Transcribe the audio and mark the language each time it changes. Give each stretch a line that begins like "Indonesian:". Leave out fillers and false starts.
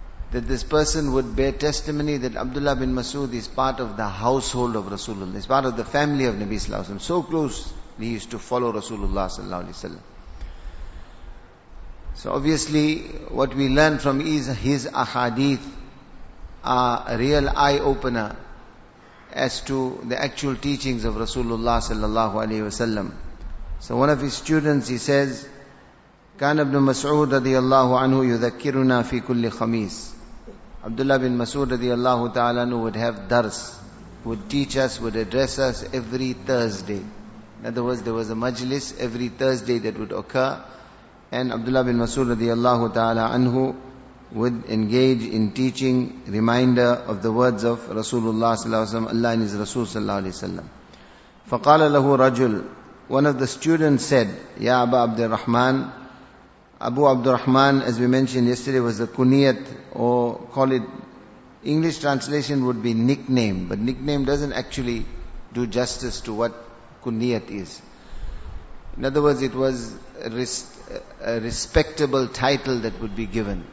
English: that this person would bear testimony that Abdullah bin Mas'ud is part of the household of Rasulullah, is part of the family of Nabi sallallahu alaihi wasallam. So close he used to follow Rasulullah sallallahu alaihi wasallam. So obviously what we learn from his ahadith are a real eye-opener as to the actual teachings of Rasulullah sallallahu alaihi wasallam. So one of his students, he says,
Arabic: كان ابن مسعود رضي الله عنه يذكرنا في كل خميس.
English: Abdullah bin Mas'ud
Arabic: رضي الله تعالى عنه
English: would have dars, would teach us, would address us every Thursday. In other words, there was a majlis every Thursday that would occur, and Abdullah bin Mas'ud
Arabic: رضي الله تعالى عنه
English: would engage in teaching, reminder of the words of Rasulullah
Arabic: صلى الله عليه وسلم,
English: Allah and His Rasul صلى الله عليه وسلم.
Arabic: فقال له رجل,
English: one of the students said,
Arabic: يا أبا عبد الرحمن.
English: Abu Abdurrahman, as we mentioned yesterday, was the kunyat, or call it, English translation would be nickname, but nickname doesn't actually do justice to what kunyat is. In other words, it was a respectable title that would be given.